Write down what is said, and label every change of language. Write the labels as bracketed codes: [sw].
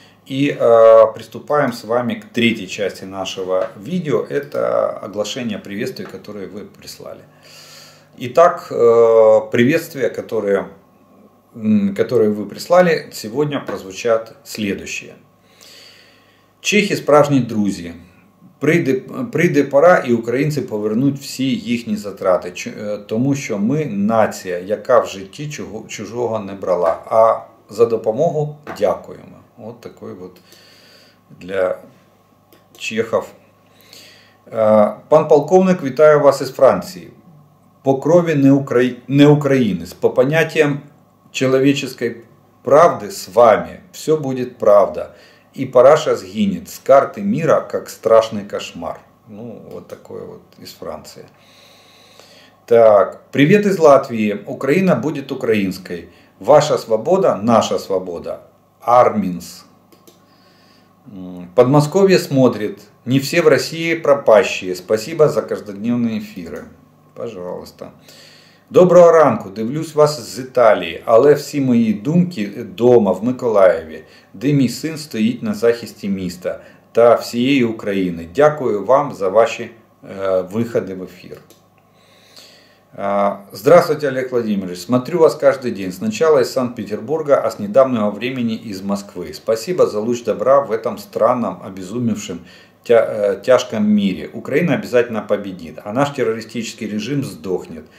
[ru] И приступаем с вами к третьей части нашего видео. Это оглашение приветствий, которые вы прислали. Итак, приветствия, которые вы прислали, сегодня прозвучат следующие. [uk] Чехи справжні друзі. Прийде пора, і українці повернуть всі їхні затрати, тому що ми нація, яка в житті чужого не брала. А за допомогу дякуємо. От такий от для чехів. Пан полковник, вітаю вас із Франції. По крові не українець. По поняттям чоловічої правди з вами все буде правда. [ru] И параша сгинет с карты мира, как страшный кошмар. Ну, вот такое вот из Франции. Так, привет из Латвии. Украина будет украинской. Ваша свобода, наша свобода. Арминс. Подмосковье смотрит. Не все в России пропащие. Спасибо за каждодневные эфиры. Пожалуйста. [uk] Доброго ранку. Дивлюсь вас з Італії. Але всі мої думки дома, в Миколаєві, де мій син стоїть на захисті міста та всієї України. Дякую вам за ваші виходи в ефір. [ru] Здравствуйте, Олег Владимирович. Смотрю вас каждый день. Сначала из Санкт-Петербурга, а с недавнего времени из Москвы. Спасибо за луч добра в этом странном, обезумевшем, тяжком мире. Украина обязательно победит, а наш террористический режим сдохнет.